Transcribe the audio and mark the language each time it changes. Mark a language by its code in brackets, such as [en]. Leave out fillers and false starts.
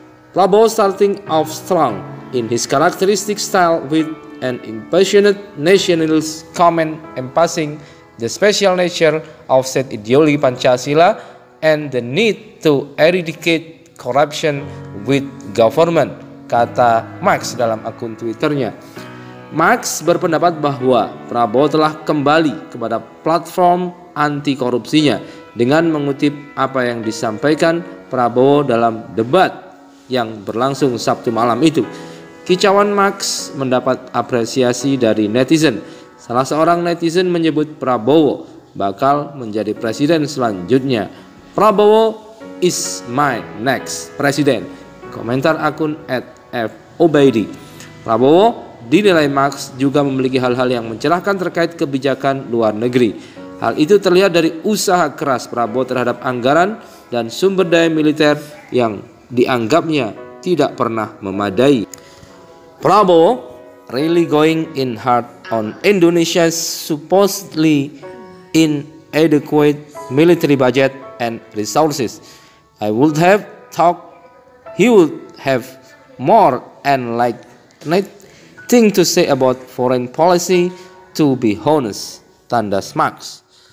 [en] Prabowo starting off strong in his characteristic style with an impassioned nationalist comment emphasizing the special nature of said ideology Pancasila and the need to eradicate corruption with government, [id] kata Max dalam akun Twitternya. Max berpendapat bahwa Prabowo telah kembali kepada platform anti korupsinya dengan mengutip apa yang disampaikan Prabowo dalam debat yang berlangsung Sabtu malam itu. Kicauan Max mendapat apresiasi dari netizen. Salah seorang netizen menyebut Prabowo bakal menjadi presiden selanjutnya. [en] Prabowo is my next president. [id] Komentar akun @fobaidi. Prabowo dinilai Max juga memiliki hal-hal yang mencerahkan terkait kebijakan luar negeri. Hal itu terlihat dari usaha keras Prabowo terhadap anggaran dan sumber daya militer yang dianggapnya tidak pernah memadai. [en] Prabowo really going in hard on Indonesia's supposedly inadequate military budget and resources. I would have thought he would have more and like nothing to say about foreign policy, to be honest, [id] tandas Max.